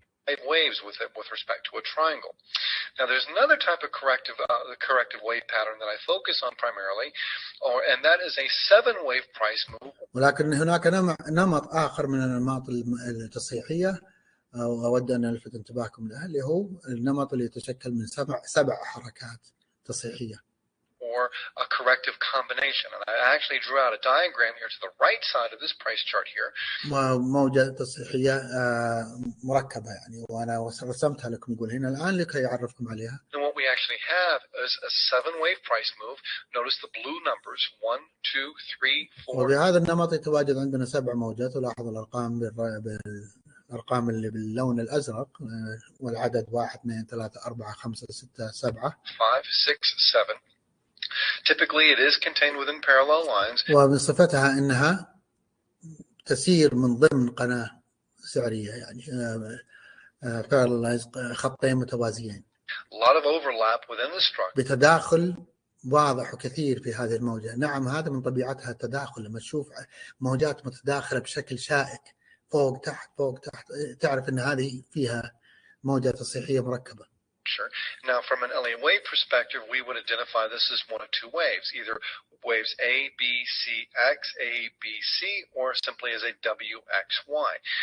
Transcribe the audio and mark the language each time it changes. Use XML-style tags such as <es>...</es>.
<en>Five waves with respect to a triangle. Now there's another type of corrective wave pattern that I focus on primarily, and that is a seven wave price move.</en> <ar>ولكن هناك نمط آخر من الأنماط التصحيحية أود أن ألفت انتباهكم له اللي هو النمط اللي يتشكل من سبع حركات تصحيحية.</ar> <en>Or a corrective combination, and I actually drew out a diagram here to the right side of this price chart here.</en> <ar>موجة تصحيحية مركبة يعني، وأنا رسمتها لكم أقول هنا الآن لكي أعرفكم عليها.</ar> <en>And what we actually have is a seven-wave price move. Notice the blue numbers: 1, 2, 3, 4.</en> <ar>وبهذا النمط يتواجد عندنا سبع موجات. ولاحظ الأرقام بالأرقام اللي باللون الأزرق والعدد 1, 2, 3, 4, 5, 6, 7. 5, 6, 7.</ar> <en>Typically, it is contained within parallel lines.</en> <ar>ومن صفتها أنها تسير من ضمن قناة سعرية يعني</ar> <en>parallel lines</en> <ar>خطين متوازيين.</ar> <en>A lot of overlap within the structure.</en> <ar>بتداخل واضح وكثير في هذه الموجة. نعم هذا من طبيعتها التداخل لما تشوف موجات متداخلة بشكل شائك فوق تحت فوق تحت تعرف أن هذه فيها موجة تصحيحية مركبة.</ar> <en>Sure. Now, from an Elliott wave perspective, we would identify this as one of two waves, either waves A, B, C, X, A, B, C, or simply as a W, X, Y.</en>